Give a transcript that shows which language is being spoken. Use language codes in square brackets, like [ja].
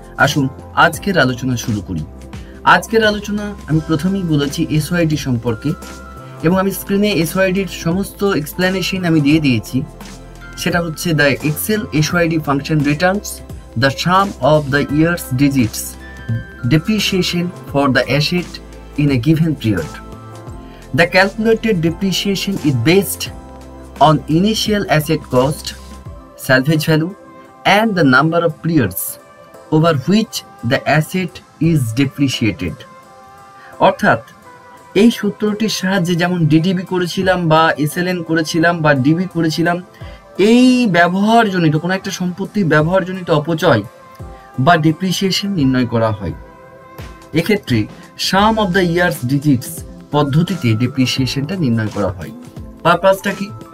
[bn] আসুন আজকের আলোচনা শুরু করি। আজকের আলোচনা আমি প্রথমেই বলেছি SYD সম্পর্কে এবং আমি স্ক্রিনে SYD-র সমস্ত এক্সপ্লেনেশন আমি দিয়ে দিয়েছি। [en] সেটা হচ্ছে the Excel SYD function returns, the sum of the years digits, depreciation for the asset in a given period. The calculated depreciation is based on initial asset cost, salvage value, and the number of periods over which the asset is depreciated. [bn] অর্থাৎ এই সূত্রটির সাহায্যে যেমন DDB করেছিলাম বা SLN করেছিলাম বা DB করেছিলাম, এই ব্যবহারজনিত কোনো একটা সম্পত্তির ব্যবহারজনিত অপচয় বা ডিপ্রিসিয়েশন নির্ণয় করা হয়। এক্ষেত্রে সাম অব দ্য ইয়ার্স ডিজিটস পদ্ধতিতে ডেপ্রিসিয়েশনটা নির্ণয় করা হয়। পারপাসটা কি?